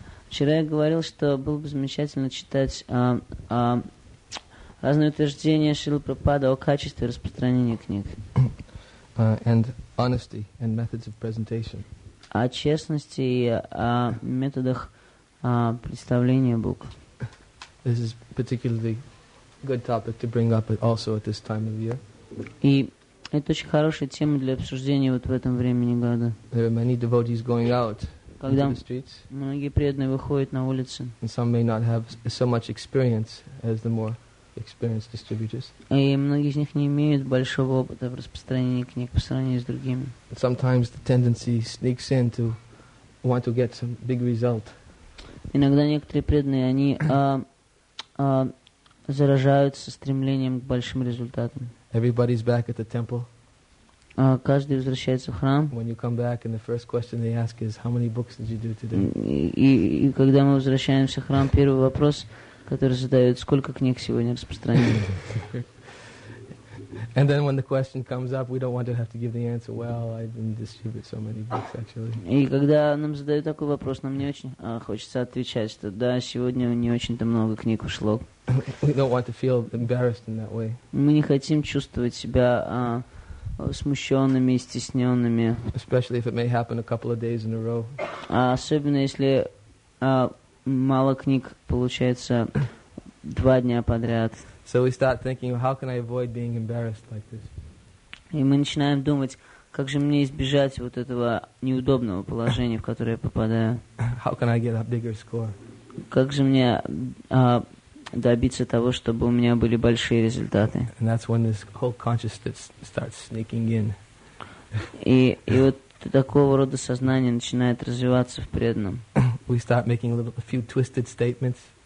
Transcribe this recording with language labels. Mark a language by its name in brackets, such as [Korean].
[Russian] Вчера я говорил, что было бы замечательно читать разные утверждения Шрилы Прабхупады о качестве распространения книг. [English] And honesty and methods of presentation. [Russian] О честности и о методах представления букв. [English] This is particularly good topic to bring up also at this time of year. [Russian] И это очень хорошая тема для обсуждения вот в этом времени года. [English] There are many devotees going out. [Russian] Когда многие преданные выходят на улицы. [English] And some may not have so much experience as the more experienced distributors. [Russian] И многие из них не имеют большого опыта в распространении книг по сравнению с другими. [English] But sometimes the tendency sneaks in to want to get some big result. [Russian] Иногда некоторые преданные, они заражаются стремлением к большим результатам. [English] Everybody's back at the temple. [Russian] Каждый возвращается в храм. [English] When you come back, and the first question they ask is, "How many books did you do today?" [Russian] И когда мы возвращаемся в храм, первый вопрос, который задают, сколько книг сегодня распространили. [English] And then when the question comes up, we don't want to have to give the answer. Well, I didn't distribute so many books actually. [Russian] И когда нам задают такой вопрос, нам не очень хочется отвечать, что да, сегодня не очень-то много книг ушло. [English] We don't want to feel embarrassed in that way. [Russian] Мы не хотим чувствовать себя смущенными, стесненными. [English] Especially if it may happen a couple of days in a row. [Russian] Особенно если мало книг получается два дня подряд. [English] So we start thinking, how can I avoid being embarrassed like this? [Russian] И мы начинаем думать, как же мне избежать вот этого неудобного положения, в которое я попадаю. [English] How can I get a bigger score? [Russian] Как же мне добиться того, чтобы у меня были большие результаты. [English] And that's when this whole consciousness starts sneaking in. [Russian] И вот такого рода сознание начинает развиваться в преданном. [English] We start making a few twisted statements.